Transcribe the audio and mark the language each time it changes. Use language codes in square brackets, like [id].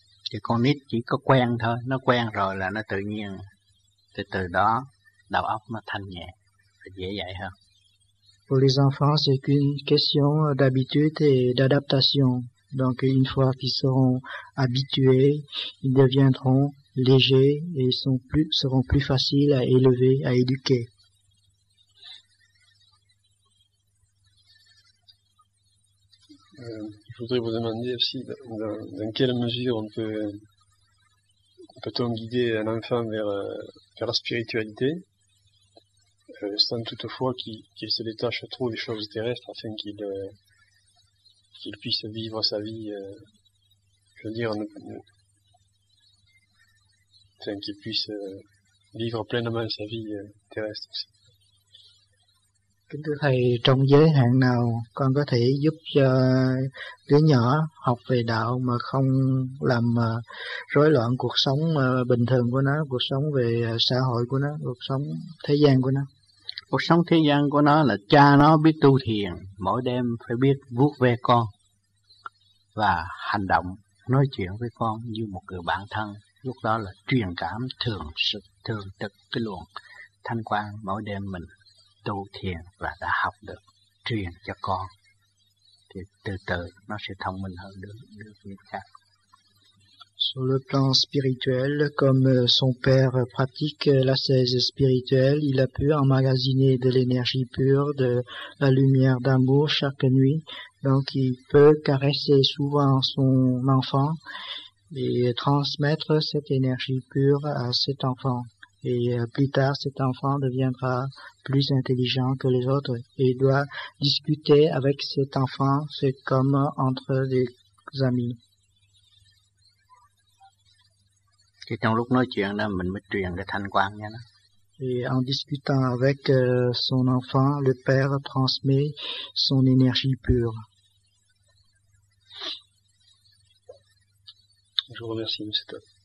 [vi] Thì con nít chỉ có quen thôi, nó quen rồi là nó tự nhiên, từ đó đầu óc nó thanh nhẹ, dễ dạy hơn. [fr] Pour les enfants, c'est qu'une question d'habitude et d'adaptation. Donc, une fois qu'ils seront habitués, ils deviendront légers et seront plus faciles à élever, à éduquer. Je voudrais vous demander aussi dans quelle mesure peut-on guider un enfant vers la spiritualité? Sans toutefois qu'il se détache trop des choses terrestres afin qu'il puisse vivre sa vie, afin qu'il puisse vivre pleinement sa vie terrestre aussi. [vi] Kính thưa thầy, trong giới hạn nào con có thể giúp cho đứa nhỏ học về đạo mà không làm rối loạn cuộc sống bình thường của nó, cuộc sống về xã hội của nó, cuộc sống thế gian của nó? cuộc sống thế gian của nó là cha nó biết tu thiền, mỗi đêm phải biết vuốt ve con và hành động nói chuyện với con như một người bạn thân. Lúc đó là truyền cảm thường sự thường tức cái luồng thanh quang mỗi đêm mình tu thiền và đã học được truyền cho con, thì từ từ nó sẽ thông minh hơn được những khác. [fr] Sur le plan spirituel, comme son père pratique l'ascèse spirituelle, il a pu emmagasiner de l'énergie pure, de la lumière d'amour chaque nuit. Donc il peut caresser souvent son enfant et transmettre cette énergie pure à cet enfant. Et plus tard, cet enfant deviendra plus intelligent que les autres et doit discuter avec cet enfant, c'est comme entre des amis. [vi] Thì trong lúc nói chuyện đó mình mới truyền cái thanh quang cho nó. [fr] Et en discutant avec son enfant, le père transmet son énergie pure. Je vous remercie, monsieur Top.